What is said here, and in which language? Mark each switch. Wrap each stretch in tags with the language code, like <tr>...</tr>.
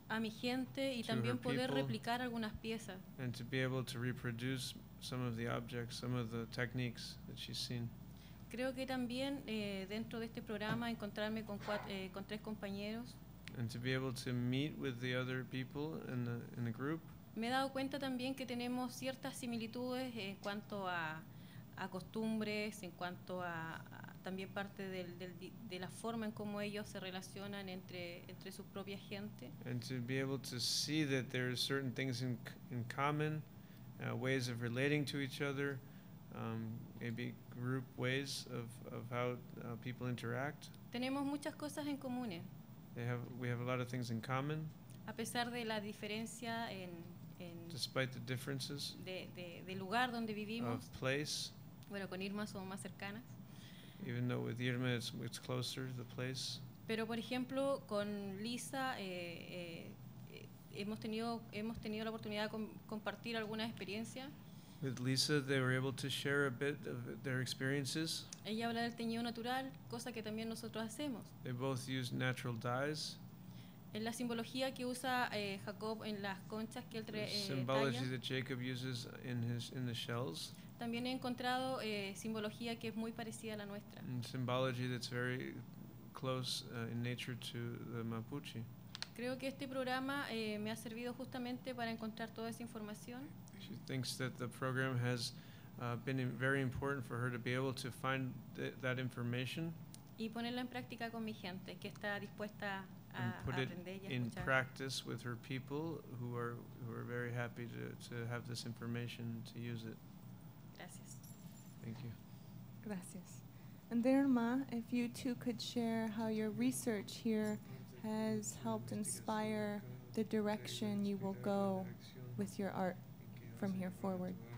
<es>A mi gente y también poder replicar algunas piezas.</es> <en>And to be able to reproduce some of the objects, some of the techniques that she's seen.</en> <es>Creo que también dentro de este programa encontrarme con tres compañeros.</es> <en>And to be able to meet with the other people in the group.</en> <es>Me he dado cuenta también que tenemos ciertas similitudes en cuanto a costumbres, en cuanto a también parte de la forma en cómo ellos se relacionan entre su propia gente.</es> <en>And to be able to see that there are certain things in common, ways of relating to each other, maybe group ways of how people interact.</en> <es>Tenemos muchas cosas en común.</es> <en>We have a lot of things in common.</en> <es>A pesar de la diferencia en</es> <en>despite the differences</en> <es>de lugar donde vivimos,</es> <en>of place,</en> <es>bueno, con Irma somos más cercanas.</es> <en>Even though with Irma it's closer, the place.</en> <es>Pero por ejemplo con Lisa hemos tenido la oportunidad de compartir alguna experiencia.</es> <en>With Lisa, they were able to share a bit of their experiences.</en> <es>Ella habla del teñido natural, cosa que también nosotros hacemos.</es> <en>They both use natural dyes.</en> <es>En la simbología que usa Jacob en las conchas que él trae.</es> <en>The symbology that Jacob uses in the shells.</en> <es>También he encontrado simbología que es muy parecida a la nuestra.</es> <en>And symbology that's very close in nature to the Mapuche.</en> <es>Creo que este programa me ha servido justamente para encontrar toda esa información.</es> <en>She thinks that the program has been very important for her to be able to find that information.</en> <es>Y ponerla en práctica con mi gente, que está dispuesta.</es> <en>And put it in practice with her people who are very happy to have this information to use it.</en> <es>Gracias.</es> <en>Thank you.</en> <es>Gracias.</es> <en>And then, Ma, if you too could share how your research here has helped inspire the direction you will go with your art from here forward.</en>